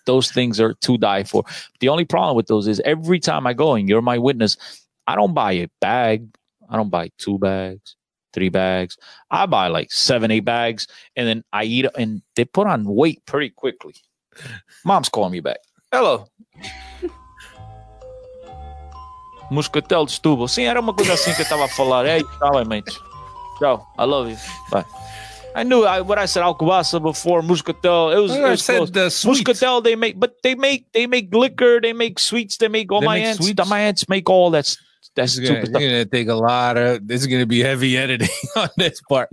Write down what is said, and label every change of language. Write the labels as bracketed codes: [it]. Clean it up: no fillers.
[en] Those things are to die for. The only problem with those is every time I go and you're my witness, I don't buy a bag. I don't buy two bags. Three bags. I buy like 7-8 bags and then I eat and they put on weight pretty quickly. Mom's calling me back. Hello. [pt] Moscatel de Stubo. Sim, era uma coisa assim que eu estava a falar. É, realmente. [en] Ciao. I love you. Bye. I knew what I said, Alcobasa before Muscatel. It was, I said the sweets. Muscatel, they make, but they make liquor, they make sweets, they make all, they my make aunts. Sweets. My aunts make all that's gonna, stupid stuff. You're gonna take a lot of, this is gonna be heavy editing on this part.